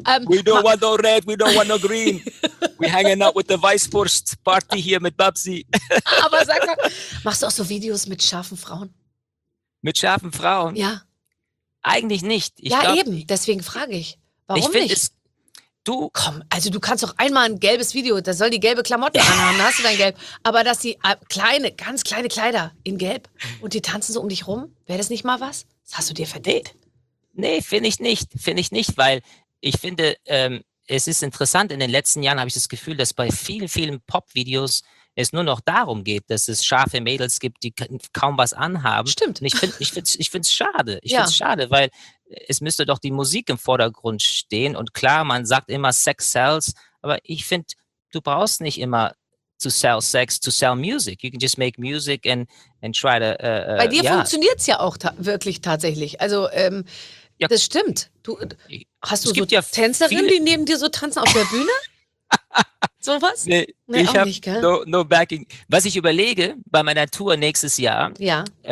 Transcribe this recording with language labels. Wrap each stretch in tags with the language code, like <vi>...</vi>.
<en>We don't want no red, we don't want no green. We're hanging out with the Weißwurst Party here mit Babsi.</en> <de>Aber sag mal, machst du auch so Videos mit scharfen Frauen? Mit scharfen Frauen? Ja. Eigentlich nicht. Deswegen frage ich. Warum ich nicht? Du kannst doch einmal ein gelbes Video, da soll die gelbe Klamotte anhaben, da hast du dein Gelb. Aber dass die kleine, ganz kleine Kleider in Gelb, und die tanzen so um dich rum, wäre das nicht mal was? Das hast du dir verdient? Nee, finde ich nicht, weil ich finde, es ist interessant, in den letzten Jahren habe ich das Gefühl, dass bei vielen, vielen Pop-Videos es nur noch darum geht, dass es scharfe Mädels gibt, die kaum was anhaben. Stimmt. Und ich finde es schade, weil es müsste doch die Musik im Vordergrund stehen. Und klar, man sagt immer Sex sells, aber ich finde, du brauchst nicht immer</de> <en>to sell sex, to sell music. You can just make music and try to...</en> <de>Bei dir funktioniert es ja auch wirklich tatsächlich. Also, ja, das stimmt. Hast du Tänzerinnen, die neben dir so tanzen auf der Bühne? Sowas? Nee, ich habe</de> <en>no backing.</en> <de>Was ich überlege bei meiner Tour nächstes Jahr, ja.</de>